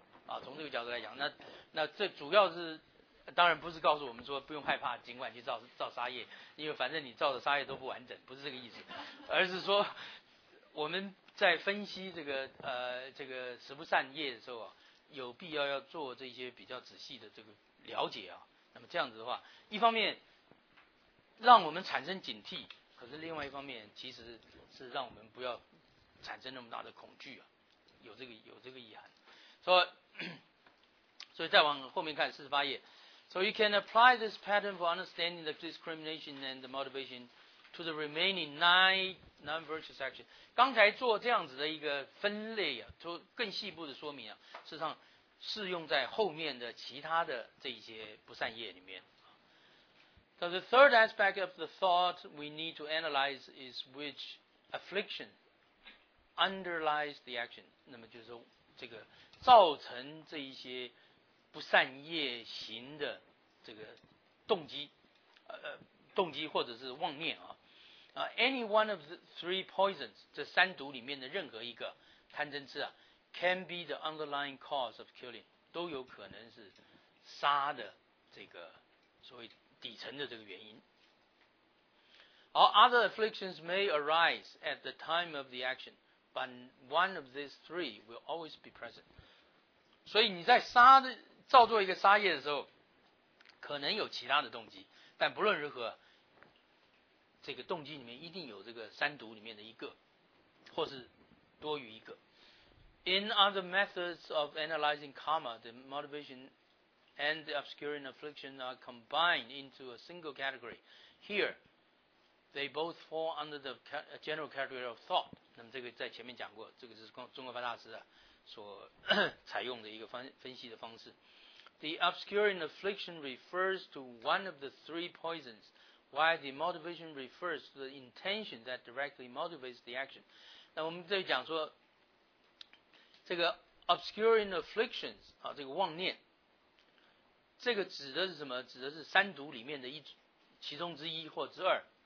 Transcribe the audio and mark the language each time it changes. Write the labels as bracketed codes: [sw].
[zh] 啊，从这个角度来讲，那这主要是当然不是告诉我们说不用害怕，尽管去造杀业，因为反正你造的杀业都不完整，不是这个意思，而是说我们在分析这个十不善业的时候啊，有必要要做这些比较仔细的这个了解啊。那么这样子的话，一方面让我们产生警惕，可是另外一方面其实是让我们不要产生那么大的恐惧啊，有这个意涵。所以再往后面看48页。 [en] So you can apply this pattern for understanding the discrimination and the motivation to the remaining nine virtue sections. [zh] 刚才做这样子的一个分类啊，做更细部的说明啊，事实上适用在后面的其他的这一些不善业里面。 [en] So the third aspect of the thought we need to analyze is which affliction underlies the action. [zh] 那么就是这个造成这一些不善业行的这个动机或者是妄念啊。 [en] Any one of the three poisons, [zh] 这三毒里面的任何一个贪嗔痴啊， [en] can be the underlying cause of killing, [zh] 都有可能是杀的这个所谓底层的这个原因。 [en] All other afflictions may arise at the time of the action, but one of these three will always be present. [zh] 所以你在造作一个杀业的时候，可能有其他的动机，但不论如何，这个动机里面一定有这个三毒里面的一个，或是多于一个。 [en] In other methods of analyzing karma, the motivation and the obscuring affliction are combined into a single category. Here, they both fall under the general category of thought. [zh] 那么这个在前面讲过，这个是中国发大师啊所采用的一个分析的方式。 [en] The obscuring affliction refers to one of the three poisons, while the motivation refers to the intention that directly motivates the action. [zh] 那我们这里讲说，这个 obscuring afflictions 啊，这个妄念，这个指的是什么？指的是三毒里面的其中之一或之二。